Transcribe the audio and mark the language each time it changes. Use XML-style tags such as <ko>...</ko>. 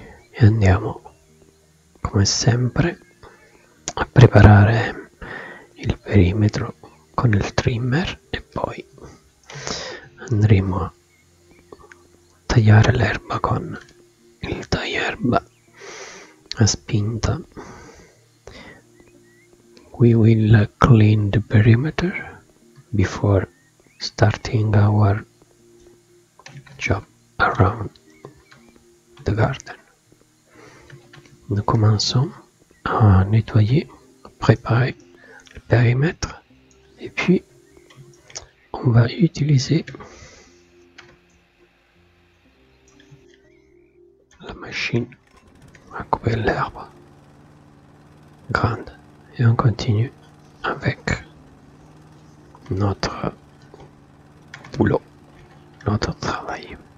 <it>E andiamo, come sempre, a preparare il perimetro con il trimmer e poi andremo a tagliare l'erba con il tagliaerba a spinta.</it> <en>We will clean the perimeter before starting our job around the garden.</en> <fr>Nous commençons à nettoyer, préparer le périmètre et puis on va utiliser la machine à couper l'herbe grande et on continue avec notre boulot, notre travail.</fr>